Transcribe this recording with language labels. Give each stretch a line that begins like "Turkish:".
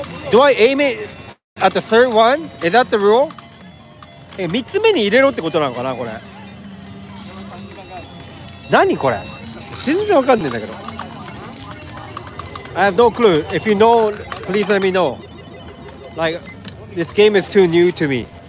English: Do I aim it at the third one? Is that the rule?
Japanese: え、3つ目に入れろってことなのかな、これ。何これ。全然わかんないんだけど。
English: I have no clue. If you know, please let me know. Like, this game is too new to me.